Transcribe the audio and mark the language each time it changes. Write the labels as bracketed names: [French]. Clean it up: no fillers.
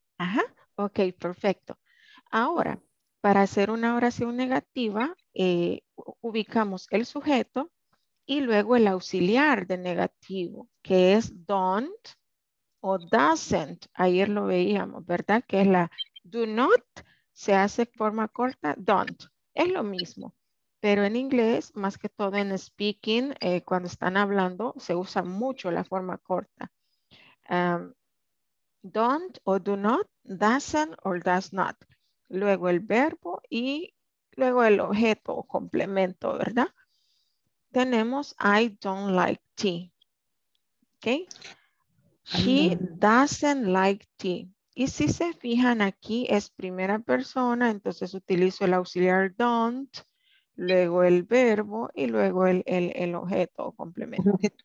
[Spanish] Ajá, ok, perfecto. Ahora, para hacer una oración negativa, ubicamos el sujeto y luego el auxiliar de negativo, que es don't o doesn't. Ayer lo veíamos, ¿verdad? Que es la do not, se hace forma corta, don't. Es lo mismo, pero en inglés, más que todo en speaking, cuando están hablando, se usa mucho la forma corta. Don't o do not, doesn't o does not. Luego el verbo y luego el objeto o complemento, ¿verdad? Tenemos [English] I don't like tea. ¿Ok? She doesn't like tea. [Spanish] Y si se fijan aquí es primera persona, entonces utilizo el auxiliar don't, luego el verbo y luego el objeto o complemento.